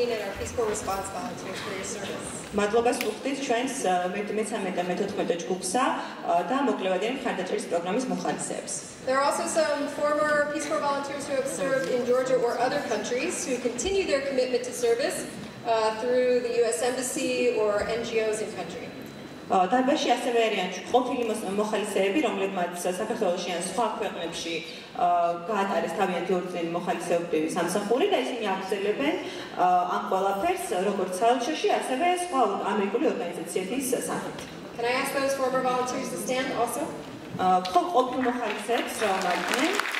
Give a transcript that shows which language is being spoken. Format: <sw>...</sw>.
<en>Thank you, G13, G14, and our Peace Corps response volunteers for your service. There are also some former Peace Corps volunteers who have served in Georgia or other countries who continue their commitment to service through the U.S. Embassy or NGOs in country.</en> <ka>დაბაში ასევე არიან ყოფილი მოხალისეები, რომლებმაც საქართველოში ან სხვა ქვეყნებში გაატარეს თავიანთი ორწლიანი მოხალისეობრივი სამსახური და ისინი აგრძელებენ ამ ყველაფერს როგორც საელჩოში, ასევე სხვა ამერიკული ორგანიზაციების სახით.</ka> <en>Can I ask those former volunteers to stand also?</en> <ka>ყოფილ მოხალისეებს რომ ადგნენ.</ka>